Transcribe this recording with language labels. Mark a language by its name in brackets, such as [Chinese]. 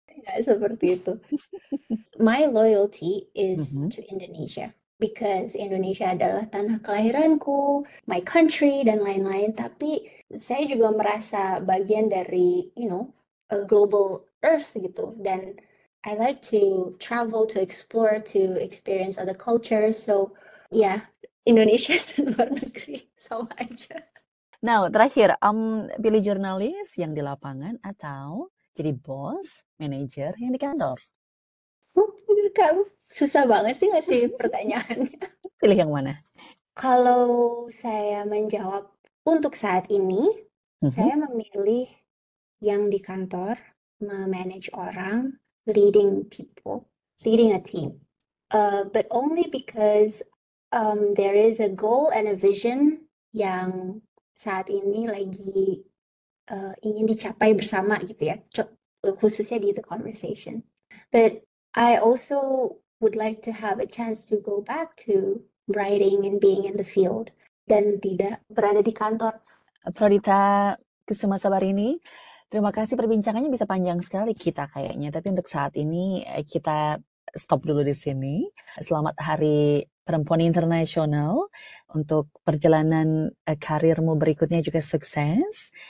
[Indonesian] Nggak seperti itu. [English] My loyalty is to Indonesia. because [Indonesian] Indonesia adalah tanah kelahiranku, [English] my country, [Indonesian] dan lain-lain. Tapi saya juga merasa bagian dari, [English] you know, a global earth [Indonesian] gitu. Dan [English] I like to travel, to explore, to experience other cultures. So, yeah, [Indonesian] Indonesia dan luar negeri, sama aja. Now, terakhir, pilih jurnalis yang di lapangan atau jadi bos, manajer yang di kantor? Kamu susah banget sih ngasih pertanyaannya. Pilih yang mana? Kalau saya menjawab untuk saat ini, saya memilih yang di kantor, memanage orang, [English] leading people, leading a team. But only because there is a goal and a vision [Indonesian] yang saat ini lagi ingin dicapai bersama gitu ya, khususnya di the conversation. [English] But I also would like to have a chance to go back to writing and being in the field [Indonesian] dan tidak berada di kantor. Prodita Kusuma Sabarini, terima kasih, perbincangannya bisa panjang sekali kita kayaknya, tapi untuk saat ini kita stop dulu di sini. Selamat Hari Perempuan Internasional. Untuk perjalanan karirmu berikutnya juga sukses.